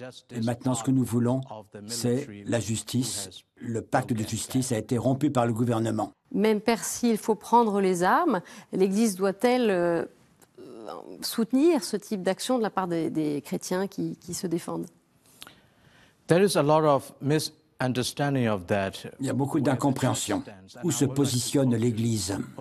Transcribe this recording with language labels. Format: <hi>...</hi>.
<fr>Et maintenant, ce que nous voulons, c'est la justice. Le pacte de justice a été rompu par le gouvernement. Même père, s'il faut prendre les armes, l'Église doit-elle soutenir ce type d'action de la part des chrétiens qui se défendent?</fr> <en>There is a lot of misunderstanding of that.</en> <fr>Il y a beaucoup d'incompréhension. Où se positionne l'Église?</fr>